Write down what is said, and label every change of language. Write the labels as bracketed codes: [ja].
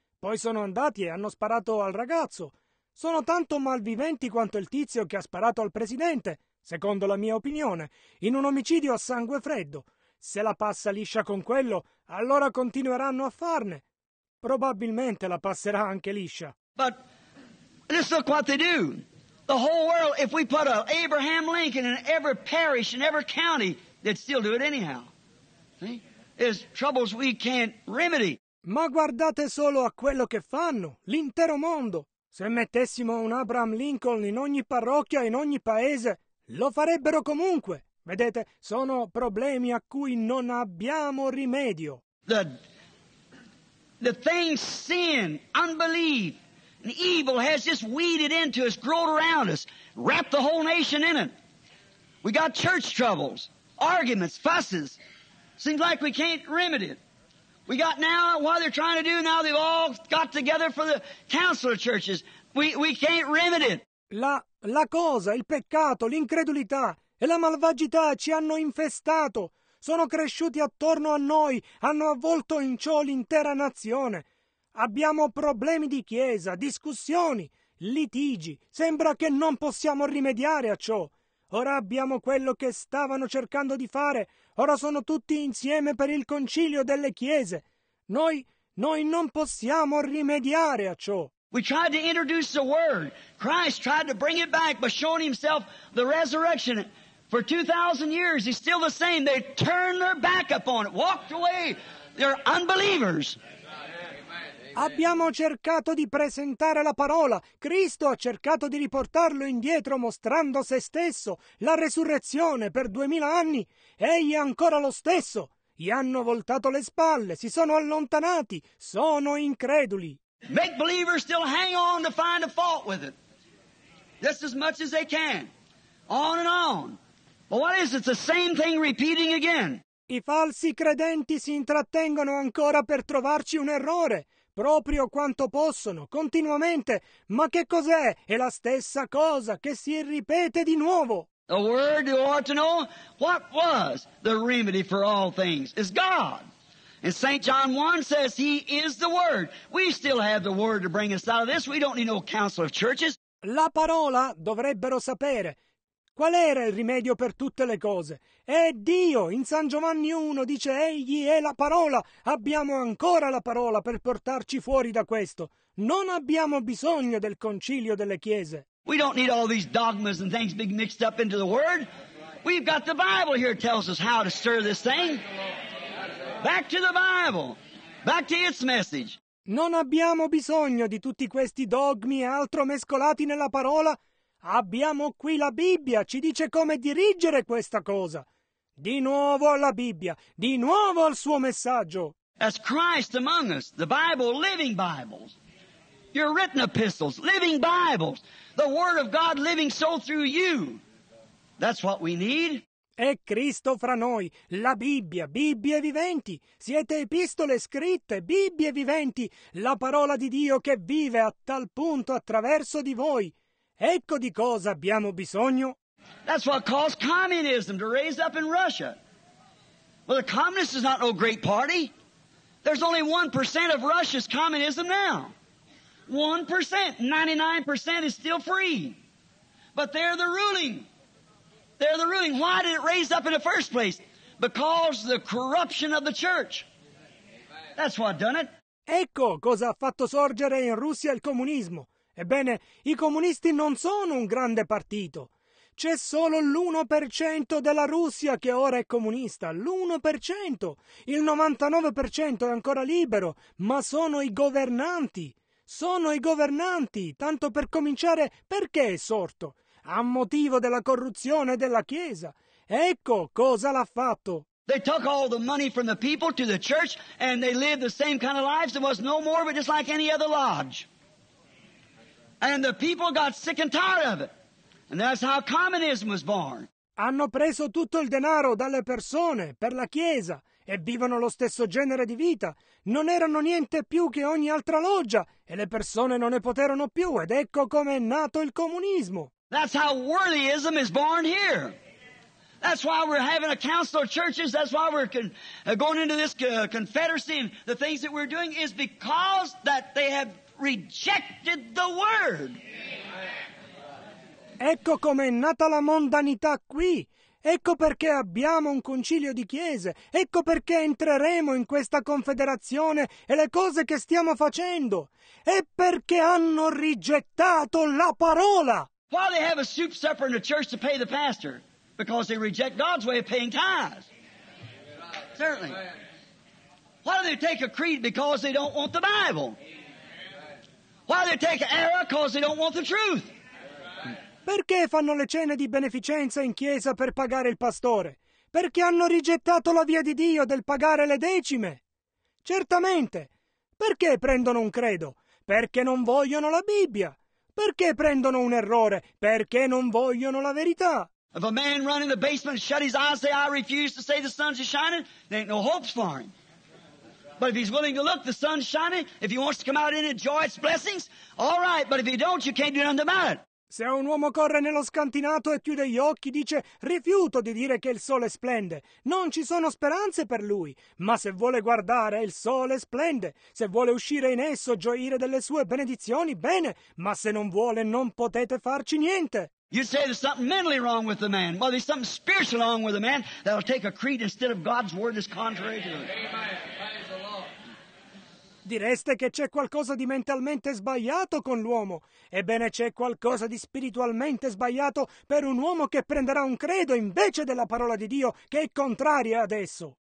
[it] Poi sono andati e hanno sparato al ragazzo. Sono tanto malviventi quanto il tizio che ha sparato al presidente, secondo la mia opinione, in un omicidio a sangue freddo. Se la passa liscia con quello, allora continueranno a farne. Probabilmente la passerà anche liscia. [en] But just look what they do. The whole world, if we put an Abraham Lincoln in every parish, in every county, they'd still do it anyhow. See? It's troubles we can't remedy. [it] Ma guardate solo a quello che fanno, l'intero mondo. Se mettessimo un Abraham Lincoln in ogni parrocchia, in ogni paese, lo farebbero comunque. Vedete, sono problemi a cui non abbiamo rimedio. [en] The thing sin, unbelief, and evil has just weeded into us, grown around us, wrapped the whole nation in it. We got church troubles, arguments, fusses. Seems like we can't remedy it. We got now, what they're trying to do now, they've all got together for the council of churches. We can't remedy it. [it] La cosa, il peccato, l'incredulità e la malvagità ci hanno infestato. Sono cresciuti attorno a noi, hanno avvolto in ciò l'intera nazione. Abbiamo problemi di chiesa, discussioni, litigi. Sembra che non possiamo rimediare a ciò. Ora abbiamo quello che stavano cercando di fare. Ora sono tutti insieme per il concilio delle chiese. Noi non possiamo rimediare a ciò. [en] We tried to introduce the word. Christ tried to bring it back by showing himself the resurrection. For 2,000 years, he's still the same. They turned their back upon it, walked away. They're unbelievers. [it] Abbiamo cercato di presentare la parola. Cristo ha cercato di riportarlo indietro mostrando se stesso, la resurrezione per 2000 anni. Egli è ancora lo stesso. Gli hanno voltato le spalle, si sono allontanati, sono increduli. [en] Make believers still hang on to find a fault with it. Just as much as they can. On and on. But what is it? It's the same thing repeating again. [it] I falsi credenti si intrattengono ancora per trovarci un errore. Proprio quanto possono, continuamente. Ma che cos'è? È la stessa cosa che si ripete di nuovo. [en] The word you ought to know, what was the remedy for all things? Is God. And St. John 1 says he is the word. We still have the word to bring us out of this. We don't need no council of churches. [it] La parola dovrebbero sapere. Qual era il rimedio per tutte le cose? È Dio. In San Giovanni 1 dice egli è la parola. Abbiamo ancora la parola per portarci fuori da questo. Non abbiamo bisogno del concilio delle chiese. [en] We don't need all these dogmas and things being mixed up into the word. We've got the Bible here tells us how to stir this thing. Back to the Bible. Back to its message. [it] Non abbiamo bisogno di tutti questi dogmi e altro mescolati nella parola. Abbiamo qui la Bibbia, ci dice come dirigere questa cosa. Di nuovo alla Bibbia, di nuovo al suo messaggio. [en] As Christ among us, the Bible, living Bibles. Your written epistles, living Bibles. The Word of God living so through you. That's what we need. [it] È Cristo fra noi, la Bibbia, Bibbie viventi. Siete epistole scritte, Bibbie viventi. La parola di Dio che vive a tal punto attraverso di voi. Ecco di cosa abbiamo bisogno. [en] That's what caused communism to raise up in Russia. Well, the communist is not no great party. There's only 1% of Russia's communism now. 1%, 99% is still free. But they're the ruling. They're the ruling. Why did it raise up in the first place? Because the corruption of the church. That's what done it. [it] Ecco cosa ha fatto sorgere in Russia il comunismo. Ebbene, i comunisti non sono un grande partito. C'è solo l'1% della Russia che ora è comunista. L'1%. Il 99% è ancora libero, ma sono i governanti. Sono i governanti. Tanto per cominciare, perché è sorto? A motivo della corruzione della Chiesa. Ecco cosa l'ha fatto. [en] They took all the money from the people to the church and they lived the same kind of lives. There was no more, but just like any other lodge. And the people got sick and tired of it. And that's how communism was born. [it] Hanno preso tutto il denaro dalle persone per la Chiesa e vivono lo stesso genere di vita. Non erano niente più che ogni altra loggia e le persone non ne poterono più. Ed ecco come è nato il comunismo. [en] That's how worldlyism is born here. That's why we're having a council of churches. That's why we're going into this confederacy. And the things that we're doing is because that they have rejected the word. [it] Ecco come è nata la mondanità qui. Ecco perché abbiamo un concilio di chiese. Ecco perché entreremo in questa confederazione e le cose che stiamo facendo. È perché hanno rigettato la parola. [en] Why they have a soup supper in the church to pay the pastor? Because they reject God's way of paying tithes. Certainly. Why do they take a creed? Because they don't want the Bible. Why do they take an error? Because they don't want the truth. [it] Perché fanno le cene di beneficenza in chiesa per pagare il pastore? Perché hanno rigettato la via di Dio del pagare le decime? Certamente. Perché prendono un credo? Perché non vogliono la Bibbia. Perché prendono un errore? Perché non vogliono la verità. [en] If a man run in the basement, shut his eyes, say, I refuse to say the sun's shining, there ain't no hopes for him. But if he's willing to look, the sun's shining, if he wants to come out in it, joy, its blessings, all right, but if you don't, you can't do nothing about it. [it] Se un uomo corre nello scantinato e chiude gli occhi, dice, rifiuto di dire che il sole splende. Non ci sono speranze per lui, ma se vuole guardare, il sole splende. Se vuole uscire in esso, gioire delle sue benedizioni, bene, ma se non vuole, non potete farci niente. [en] You say there's something mentally wrong with the man. Well, there's something spiritually wrong with the man that'll take a creed instead of God's word that's contrary to it. Amen. Praise the Lord. [it] Direste che c'è qualcosa di mentalmente sbagliato con l'uomo. Ebbene, c'è qualcosa di spiritualmente sbagliato per un uomo che prenderà un credo invece della parola di Dio, che è contraria ad esso.